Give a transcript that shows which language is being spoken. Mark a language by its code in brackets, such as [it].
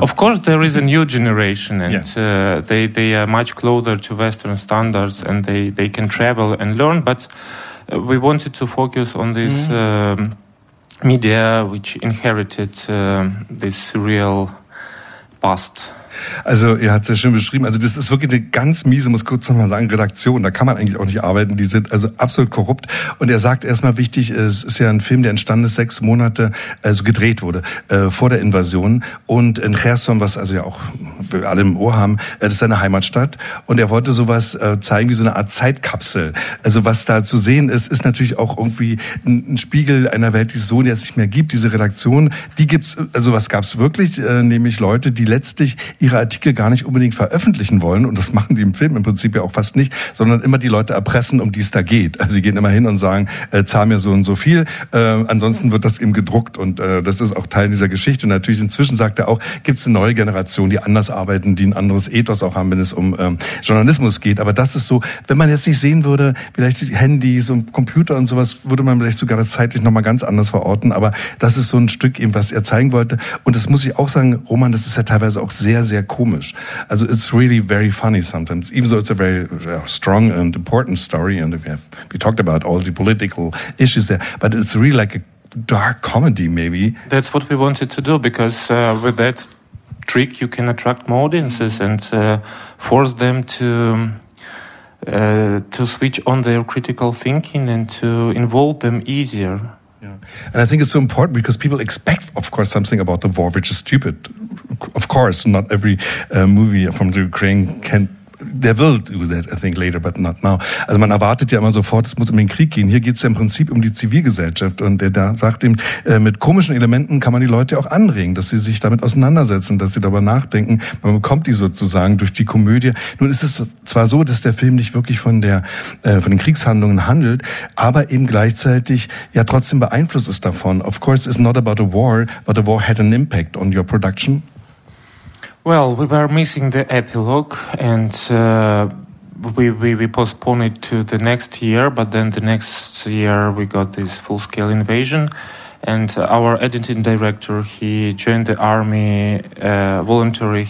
[en] Of course, there is a new generation, and they are much closer to Western standards, and they can travel and learn, but we wanted to focus on this media which inherited this surreal past. [de] Also, ihr habt es ja schön beschrieben. Also, das ist wirklich eine ganz miese, muss kurz nochmal sagen, Redaktion. Da kann man eigentlich auch nicht arbeiten. Die sind also absolut korrupt. Und er sagt erstmal wichtig, es ist ja ein Film, der entstanden ist 6 Monate, also gedreht wurde, vor der Invasion. Und in Kherson, was also ja auch wir alle im Ohr haben, das ist seine Heimatstadt. Und er wollte sowas zeigen, wie so eine Art Zeitkapsel. Also, was da zu sehen ist, ist natürlich auch irgendwie ein Spiegel einer Welt, die es so jetzt nicht mehr gibt. Diese Redaktion, die gibt's, also was gab's wirklich, nämlich Leute, die letztlich ihre Artikel gar nicht unbedingt veröffentlichen wollen, und das machen die im Film im Prinzip ja auch fast nicht, sondern immer die Leute erpressen, um die es da geht. Also sie gehen immer hin und sagen, zahl mir so und so viel, ansonsten wird das eben gedruckt, und das ist auch Teil dieser Geschichte. Natürlich inzwischen sagt er auch, gibt's eine neue Generation, die anders arbeiten, die ein anderes Ethos auch haben, wenn es um Journalismus geht. Aber das ist so, wenn man jetzt nicht sehen würde, vielleicht Handys und Computer und sowas, würde man vielleicht sogar das zeitlich nochmal ganz anders verorten, aber das ist so ein Stück eben, was er zeigen wollte. Und das muss ich auch sagen, Roman, das ist ja teilweise auch sehr, sehr komisch. [en] Also it's really very funny sometimes, even though it's a very strong and important story, and we talked about all the political issues there, but it's really like a dark comedy maybe. That's what we wanted to do, because with that trick you can attract more audiences and force them to switch on their critical thinking and to involve them easier. And I think it's so important because people expect, of course, something about the war, which is stupid. Of course, not every movie from the Ukraine can. They will do that, I think, later, but not now. [de] Also man erwartet ja immer sofort, es muss um den Krieg gehen. Hier geht es ja im Prinzip um die Zivilgesellschaft. Und der da sagt ihm, mit komischen Elementen kann man die Leute auch anregen, dass sie sich damit auseinandersetzen, dass sie darüber nachdenken. Man bekommt die sozusagen durch die Komödie. Nun ist es zwar so, dass der Film nicht wirklich von den Kriegshandlungen handelt, aber eben gleichzeitig ja trotzdem beeinflusst ist davon. [en] Of course, it's not about a war, but the war had an impact on your production. Well, we were missing the epilogue, and we postponed it to the next year, but then the next year we got this full-scale invasion, and our editing director, he joined the army voluntarily.